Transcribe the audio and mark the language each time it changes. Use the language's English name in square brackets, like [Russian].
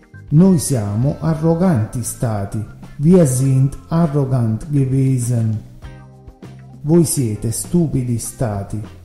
[Italian] Noi siamo arroganti stati. [German] Wir sind arrogant gewesen. [Italian] Voi siete stupidi stati.